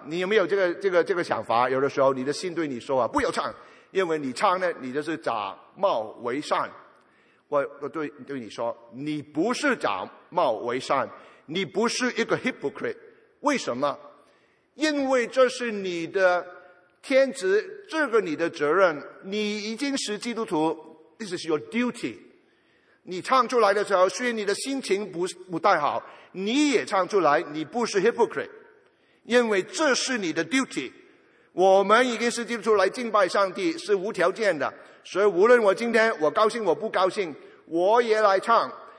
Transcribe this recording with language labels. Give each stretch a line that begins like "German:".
Chinese: 你有没有这个想法？有的时候你的心对你说啊，不要唱，因为你唱呢，你就是假冒为善。我对你说，你不是假冒为善，你不是一个 hypocrite。为什么？因为这是你的天职，这个你的责任。你已经是基督徒 ，
English: this is your duty。
Chinese: 你唱出来的时候，虽然你的心情不太好，你也唱出来，你不是 hypocrite， 因为这是你的 duty。我们已经是基督徒来敬拜上帝，是无条件的，所以无论我今天我高兴我不高兴，我也来唱。